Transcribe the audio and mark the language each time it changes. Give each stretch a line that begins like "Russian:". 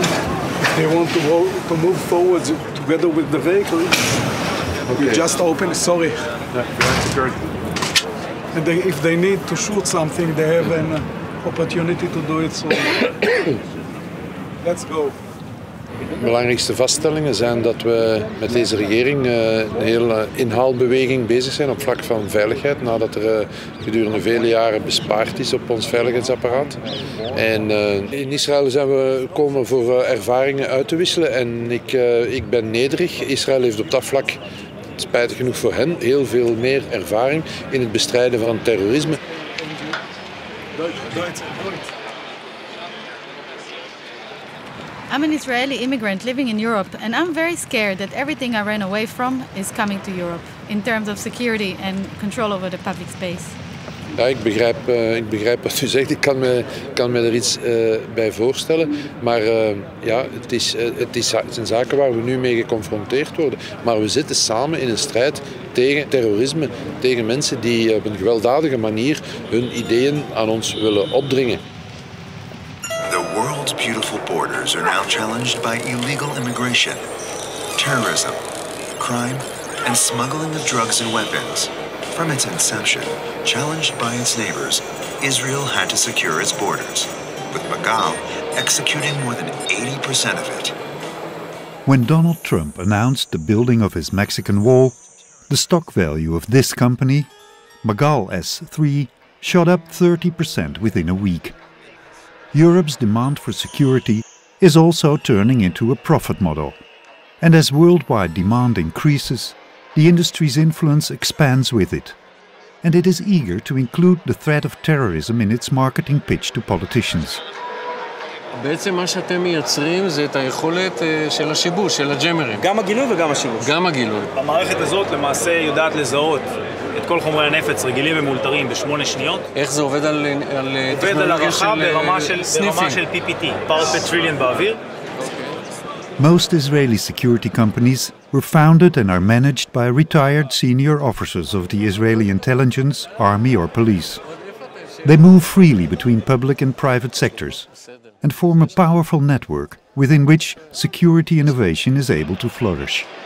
English: If they want to move forward together with the vehicle, okay. You just open, sorry. Yeah, and they, if they need to shoot something, they have an opportunity to do it, so let's go.
Dutch: De belangrijkste vaststellingen zijn dat we met deze regering een hele inhaalbeweging bezig zijn op vlak van veiligheid, nadat er gedurende vele jaren bespaard is op ons veiligheidsapparaat. En in Israël zijn we komen voor ervaringen uit te wisselen en ik ben nederig. Israël heeft op dat vlak, spijtig genoeg voor hen, heel veel meer ervaring in het bestrijden van terrorisme.
English: I'm an Israeli immigrant living in Europe and I'm very scared that everything I ran away from is coming to Europe in terms of security and control over the public space.
Dutch: Ja, ik begrijp wat u zegt. Ik kan me er iets bij voorstellen. Maar ja, het zijn zaken waar we nu mee geconfronteerd worden. Maar we zitten samen in een strijd tegen terrorisme, tegen mensen die op een gewelddadige manier hun ideeën aan ons willen opdringen.
English: The world's beautiful borders are now challenged by illegal immigration, terrorism, crime and smuggling of drugs and weapons. From its inception, challenged by its neighbors, Israel had to secure its borders, with Magal executing more than 80% of it. When Donald Trump announced the building of his Mexican wall, the stock value of this company, Magal S3, shot up 30% within a week. Europe's demand for security is also turning into a profit model, And as worldwide demand increases, the industry's influence expands with it. And it is eager to include the threat of terrorism in its marketing pitch to politicians.
Hebrew: בעצם מה שאתם מייצרים זה את היכולת של השיבוש, של הג'מרים. גם הגילוי וגם השיבוש. גם הגילוי. המערכת הזאת למעשה יודעת לזהות את כל חומרי הנפץ רגילים ומולתרים בשמונה שניות. איך זה עובד על טכנולוגיה של סניפים? ברמה של PPT, פארט פטריליון באוויר.
English: Most Israeli security companies were founded and are managed by retired senior officers of the Israeli intelligence, army or police. They move freely between public and private sectors and form a powerful network within which security innovation is able to flourish.